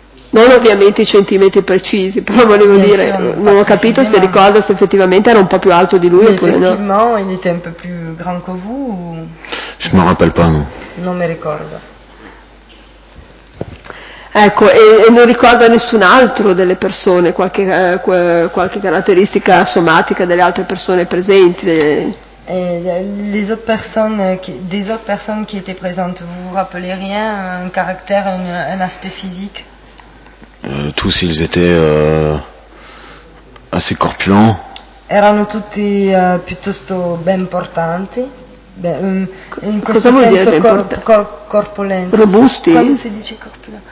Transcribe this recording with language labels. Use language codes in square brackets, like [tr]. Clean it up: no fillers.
[it] Non ovviamente i centimetri precisi, però volevo dire, non ho capito se ricorda se effettivamente era un po' più alto di lui oppure no. [fr] Effectivement, il était un peu plus grand que vous. Je me rappelle pas, non. [it] Non mi ricordo. Ecco, e non ricorda nessun altro delle persone, qualche caratteristica somatica delle altre persone presenti? [fr] Les autres personnes qui étaient présentes, vous vous rappelez rien, un caractère, un aspect physique? Tous ils étaient assez corpulents. [it] Erano tutti piuttosto ben portanti. In questo cosa senso vuol dire corpulenza, robusti, quando si dice corpulenza,